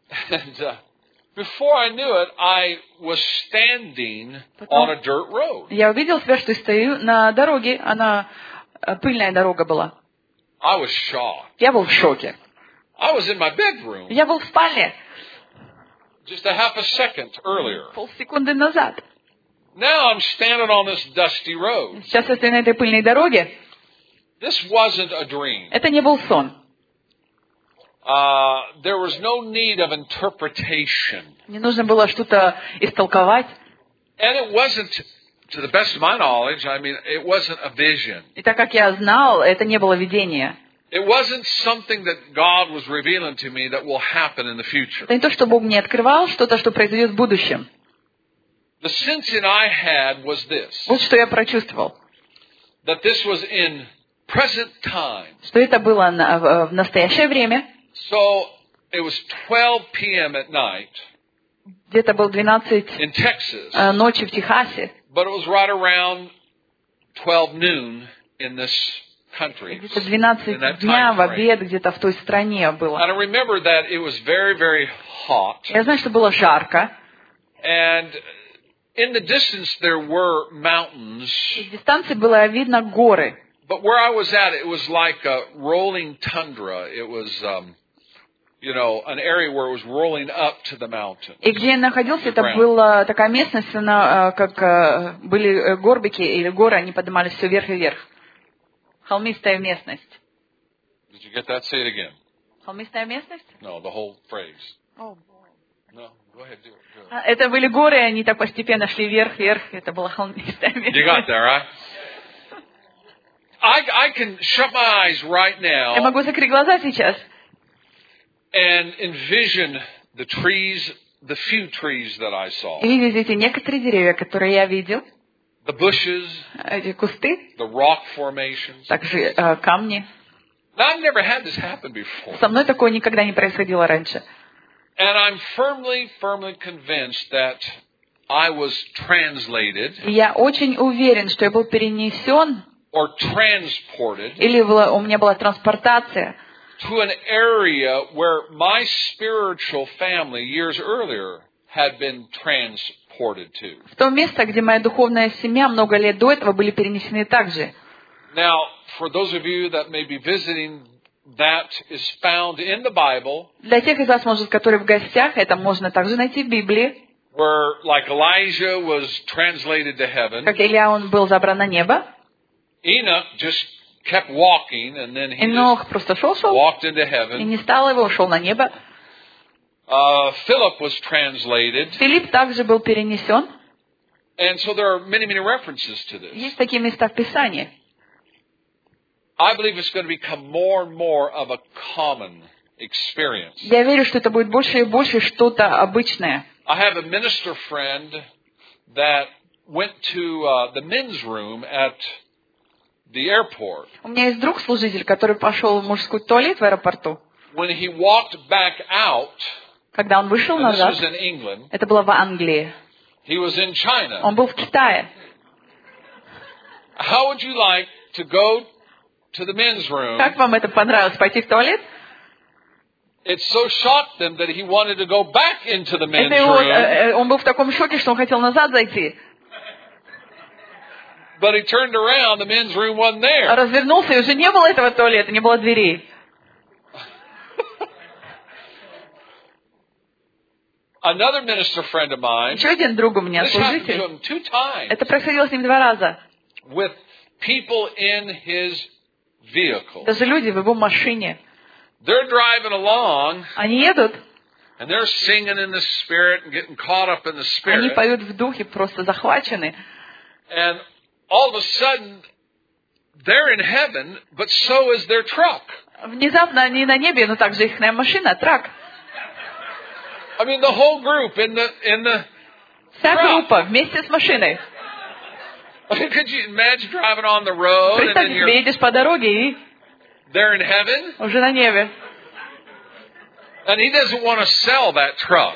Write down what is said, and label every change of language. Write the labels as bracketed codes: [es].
[en] And before I knew it, I was standing on a dirt road. [ru] Я увидел себя, что стою на дороге. Она пыльная дорога была. [en] I was shocked. [ru] Я был в шоке. [en] I was in my bedroom. [ru] Я был в спальне. [en] Just a half a second earlier. [ru] Полсекунды назад. [en] Now I'm standing on this dusty road. [ru] Сейчас я стою на этой пыльной дороге. [en] This wasn't a dream. [ru] Это не был сон. [en] There was no need of interpretation. [ru] Не нужно было что-то истолковать. [en] And it wasn't, to the best of my knowledge, I mean, it wasn't a vision. [ru] И так как я знал, это не было видение. [en] It wasn't something that God was revealing to me that will happen in the future. [ru] Это не то, что Бог мне открывал, что-то, что произойдет в будущем. [en] The sensing I had was this. [ru] Вот что я прочувствовал. [en] That this was in present time. [ru] Что это было в настоящее время. [en] So it was 12 p.m. at night. [ru] Где-то было 12 [en] in Texas. [ru] Ночи в Техасе. [en] But it was right around 12 noon in this countries. [ru] Где-то 12 дня в обед где-то в той стране было. [en] And I remember that it was very, very hot. [ru] Я знаю, что было жарко. [en] And in the distance there were mountains. [ru] В дистанции было видно горы. [en] But where I was at, it was like a rolling tundra. It was, you know, an area where it was rolling up to the mountains. [ru] И где я находился, это была такая местность, она как были горбики или горы, они поднимались все вверх и вверх. Холмистая местность. [en] Did you get that? Say it again. [ru] Холмистая местность? [en] No, the whole phrase. Oh, boy. No, go ahead, do it. [ru] Это были горы, они так постепенно шли вверх, вверх. Это была холмистая местность. [en] You got that, right? I can shut my eyes right now. [ru] Я могу закрыть глаза сейчас. [en] And envision the trees, the few trees that I saw. [ru] И видите некоторые деревья, которые я видел. [en] The bushes, [ru] эти кусты, [en] the rock formations, [ru] также камни. [en] Now, I've never had this happen before. [ru] Со мной такое никогда не происходило раньше. [en] And I'm firmly, firmly convinced that I was translated. [ru] Я очень уверен, что я был перенесен. [en] Or transported. [ru] Или было, у меня была транспортация. [en] To an area where my spiritual family years earlier had been transported. [ru] В то место, где моя духовная семья много лет до этого были перенесены также. [en] Now, for those of you that may be visiting, that is found in the Bible. [ru] Для тех из вас, может, которые в гостях, это можно также найти в Библии. [en] Where, like Elijah was translated to heaven. [ru] Как Илия, он был забран на небо. [en] Enoch just kept walking, and then he just walked into heaven. [ru] И не стал его, ушел на небо. [en] Philip was translated. [ru] Филипп также был перенесен. [en] And so there are many, many references to this. [ru] Есть такие места в Писании. [en] I believe it's going to become more and more of a common experience. [ru] Я верю, что это будет больше и больше что-то обычное. [en] I have a minister friend that went to the men's room at the airport. [ru] У меня есть друг-служитель, который пошел в мужской туалет в аэропорту. [en] When he walked back out. [ru] Когда он вышел назад, [en] this was in England. [ru] Это было в Англии. [en] He was in China. [ru] Он был в Китае. [en] How would you like to go to the men's room? [ru] Как вам это понравилось, пойти в туалет? [en] It so shocked them that he wanted to go back into the men's room. [ru] Он был в таком шоке, что он хотел назад зайти. [en] But he turned around, the men's room wasn't there. [ru] Развернулся, и уже не было этого туалета, не было двери. [en] Another minister friend of mine. [ru] Еще один друг у меня, служитель. Это происходило с ним два раза. [en] With people in his vehicle. [ru] Даже люди в его машине. [en] They're driving along. [ru] Они едут. [en] And they're singing in the spirit and getting caught up in the spirit. [ru] Они поют в духе, просто захвачены. [en] And all of a sudden, they're in heaven, but so is their truck. [ru] Внезапно они на небе, но также их машина, трак. [en] I mean the whole group in the [ru] вся группа вместе с машиной. [en] I mean, could you imagine driving on the road? [ru] Представь, [en] and then [ru] едешь по дороге и [en] they're in heaven? [ru] Уже на небе. [en] And he doesn't want to sell that truck.